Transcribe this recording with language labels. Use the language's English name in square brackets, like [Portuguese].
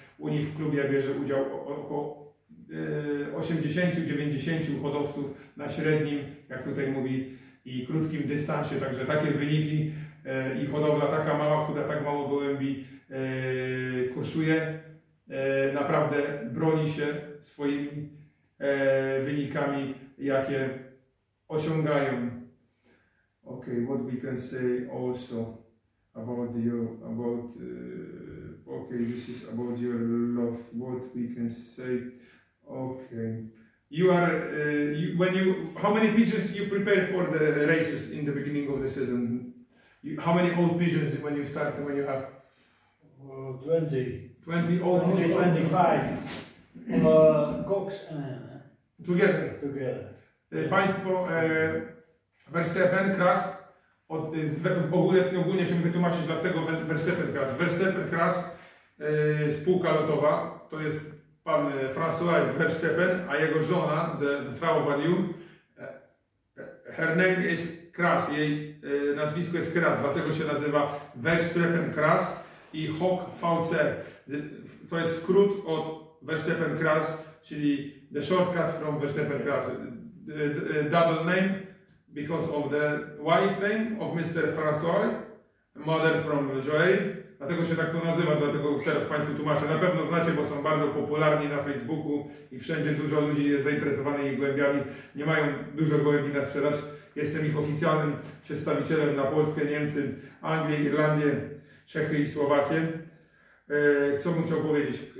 [Polish] U nich w klubie bierze udział około 80, 90 wodowców na średnim, jak tutaj mówi, i krótkim dystansie. Także takie wyniki i hodowla taka mała, która tak mało gołębi kursuje, naprawdę broni się swoimi wynikami, jakie osiągają. [English] Ok, what we can say also about you, about ok, this is about your lot, what we can say. Ok, you are how many pigeons you prepare for the races in the beginning of the season? How many old pigeons when you start, when you have? 20. 20 old pigeons? 25. Cox and... Together. [Polish] Państwo Verstappen, Kras, ogólnie chciałbym wytłumaczyć, dlatego Verstappen, Kras. Verstappen, Kras, spółka lotowa, to jest pan François Verstappen, a jego żona, [English] the Frau Van Jung, her name is Kras, [Polish] jej nazwisko jest Kras, dlatego się nazywa Verstappen Kras i Hawk VC. To jest skrót od Verstappen Kras, czyli [English] the shortcut from Verstappen Kras. Double name because of the wife name of Mr. François, mother from Joël. [Polish] Dlatego się tak to nazywa, dlatego teraz Państwu tłumaczę. Na pewno znacie, bo są bardzo popularni na Facebooku i wszędzie dużo ludzi jest zainteresowanych ich gołębiami. Nie mają dużo gołębi na sprzedaż. Jestem ich oficjalnym przedstawicielem na Polskę, Niemcy, Anglię, Irlandię, Czechy i Słowację. Co bym chciał powiedzieć?